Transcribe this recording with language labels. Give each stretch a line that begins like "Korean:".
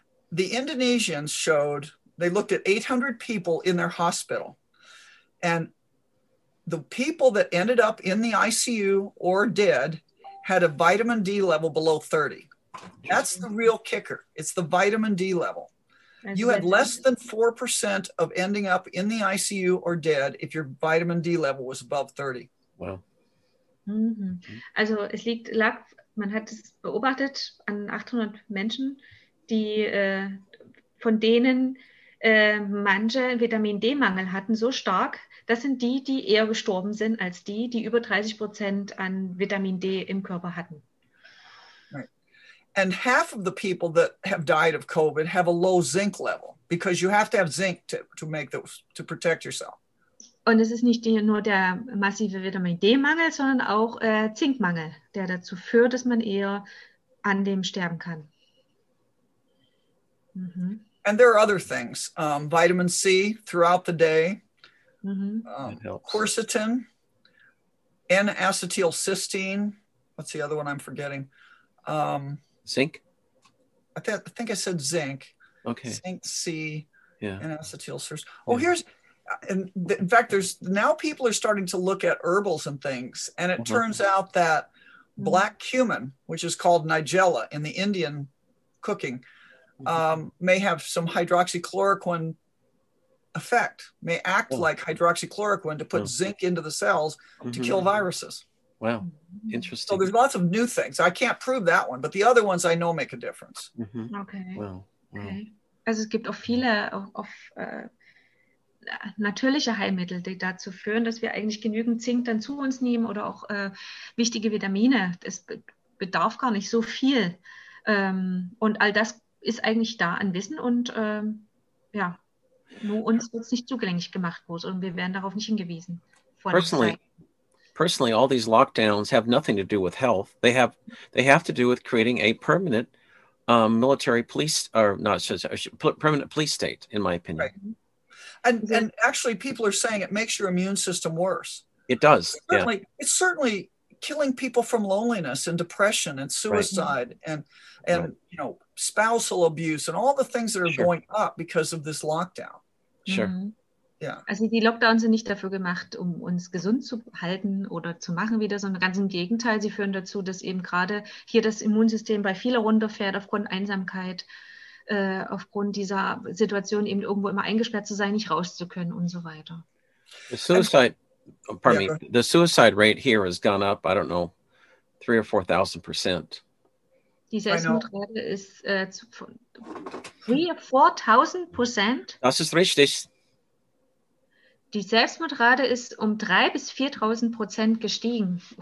English: The Indonesians showed, they looked at 800 people in their hospital and the people that ended up in the ICU or dead had a vitamin D level below 30. That's the real kicker. It's the vitamin D level. You had less than 4% of ending up in the ICU or dead if your vitamin D level was above 30. Wow. Mm-hmm.
German: Also es liegt, man hat es beobachtet an 800 Menschen, die von denen manche Vitamin D-Mangel hatten, so stark. Das sind die, die eher gestorben sind, als die, die über 30% an Vitamin D im Körper hatten.
English: Right. And half of the people that have died of COVID have a low zinc level, because you have to have zinc to protect yourself.
German: Und es ist nicht nur der massive Vitamin D-Mangel, sondern auch Zinkmangel, der dazu führt, dass man eher an dem sterben kann.
English: Mhm. And there are other things. Vitamin C throughout the day. Mm-hmm. Quercetin, N-acetylcysteine. What's the other one I'm forgetting? Zinc? I think I said zinc. Okay. Zinc C, N-acetylcysteine. Yeah. Oh, here's, in fact, there's now people are starting to look at herbals and things, and it turns out that black cumin, which is called nigella in the Indian cooking, may have some hydroxychloroquine effect, may act like hydroxychloroquine to put zinc into the cells to kill viruses. Wow. Interesting. So there's lots of new things. I can't prove that one, but the other ones I know make a difference. Mm-hmm. Okay. Well, okay.
German: Also es gibt auch viele natürliche Heilmittel, die dazu führen, dass wir eigentlich genügend Zink dann zu uns nehmen oder auch wichtige Vitamine. Es bedarf gar nicht so viel. Und all das ist eigentlich da an Wissen und ja, nur uns wird es nicht zugänglich gemacht groß und wir werden darauf nicht hingewiesen.
English: Personally, all these lockdowns have nothing to do with health. They have to do with creating a permanent permanent police state, in my opinion. Right. And actually, people are saying it makes your immune system worse. It does. It's certainly killing people from loneliness and depression and suicide you know, spousal abuse and all the things that are going up because of this lockdown. Sure. Yeah.
German: Also die Lockdowns sind nicht dafür gemacht, um uns gesund zu halten oder zu machen wieder, sondern ganz im Gegenteil, sie führen dazu, dass eben gerade hier das Immunsystem bei vielen runterfährt aufgrund Einsamkeit, aufgrund dieser Situation eben irgendwo immer eingesperrt zu sein, nicht raus zu können und so weiter.
English: The suicide rate here has gone up, I don't know, 3,000 or 4,000%.
German: Die Selbstmordrate ist 3,000 or 4,000%? Das ist richtig. Die Selbstmordrate ist 3,000 to 4,000% gestiegen.